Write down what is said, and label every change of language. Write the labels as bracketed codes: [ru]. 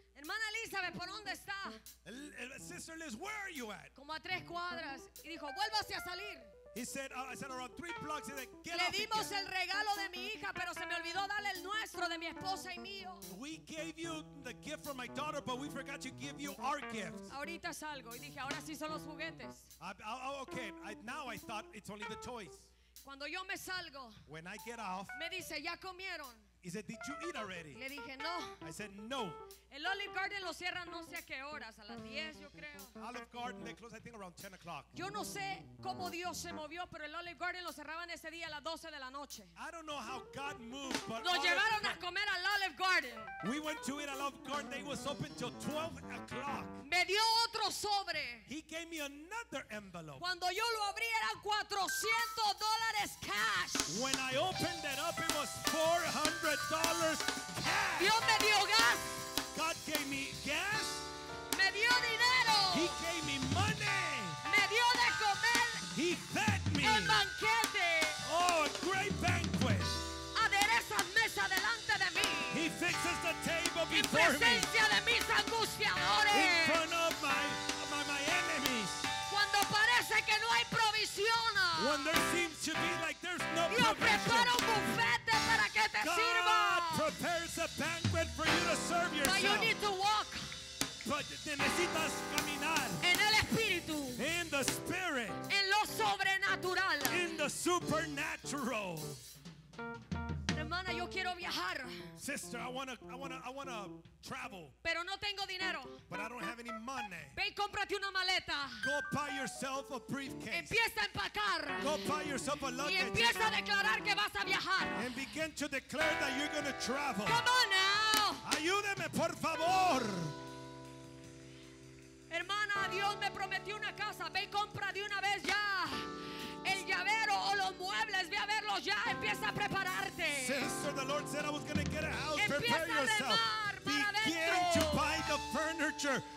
[es] Hermana Elizabeth, ¿por dónde está? [en] Sister Liz, where are you at? [es] Como a 3 cuadras. Y dijo, vuélvase a salir. [en] He said, I said around 3 blocks. He said, get [es] le dimos el regalo de mi hija, pero se me olvidó darle el nuestro de mi esposa y mío. [en] We gave you the gift from my daughter, but we forgot to give you our gift. [es] Ahorita salgo. Y dije, ahora sí son los juguetes. [en] Now I thought it's only the toys. [es] Cuando yo me salgo, [en] when I get off, [es] me dice, ya comieron. [en] He said, did you eat already? [es] Le dije, no. [en] I said, no. [es] El Olive Garden lo cierran no sé a qué horas, a las 10, yo creo. [en] Olive Garden, they close, I think, around 10 o'clock. [es] Yo no sé cómo Dios se movió, pero el Olive Garden lo cerraban ese día a las 12 de la noche. [en] I don't know how God moved, but [es] nos llevaron a comer al Olive Garden. [en] We went to eat at Olive Garden. They was open till 12 o'clock. [es] Me dio otro sobre. [en] He gave me another envelope. [es] Cuando yo lo abrí, eran $400 cash. [en] When I opened it up, it was $400 cash. [es] Dios me dio gas. [en] God gave me gas. [es] Me dio dinero. [en] He gave me money. [es] Me dio de comer. [en] He fed me. [es] El banquete. [en] Oh, a great banquet. [es] Adereza mesa delante de mí. [en] He fixes the table before me. [es] En presencia de mis angustiadores. [en] In front of my enemies. [es] Cuando parece que no hay provisión. [en] When there seems to be like there's no [es] Dios [en] provision. [es] Dios prepara un bufete para que te [en] God [es] sirva. [en] God prepares a banquet for you to serve yourself. But you need to walk. But [es] te necesitas caminar. En el espíritu. [en] In the spirit. [es] En lo sobrenatural. [en] In the supernatural. [es] Hermana, yo quiero viajar. [en] Sister, I wanna travel. [es] Pero no tengo dinero. [en] But I don't have any money. [es] Ve y cómprate una maleta. [en] Go buy yourself a briefcase. [es] Empieza a empacar. [en] Go buy yourself a luggage. [es] Y empieza a declarar que vas a viajar. [en] And begin to declare that you're gonna travel. Come on now. [es] Ayúdeme, por favor. Hermana, Dios me prometió una casa. Ve y compra de una vez ya el llavero o los muebles. Ve a verlos ya. Empieza a prepararte. [en] Sister, the Lord said I was going to get a house. [es] Empieza [en] prepare yourself. Begin to buy the furniture.